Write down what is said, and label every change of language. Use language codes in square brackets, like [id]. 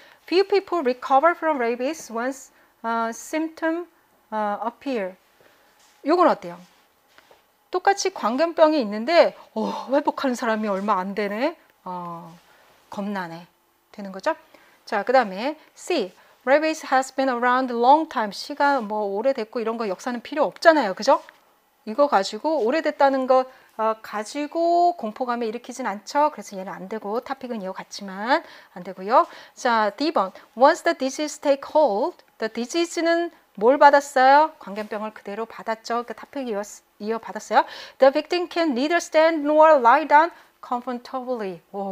[en] Few people recover from rabies once symptom appear. [ko] 이건 어때요? 똑같이 광견병이 있는데, 회복하는 사람이 얼마 안 되네. 겁나네. 되는 거죠? 자, 그 다음에 C. [en] Rabies has been around a long time. [ko] 시간 뭐 오래됐고 이런 거 역사는 필요 없잖아요. 그죠? 이거 가지고 오래됐다는 거 가지고 공포감에 일으키진 않죠? 그래서 얘는 안 되고 토픽은 이어 갔지만 안 되고요. 자, D번. [en] Once the disease take hold, the disease는 [ko] 뭘 받았어요? 광견병을 그대로 받았죠. 그 토픽 이어 받았어요. [en] The victim can neither stand nor lie down comfortably.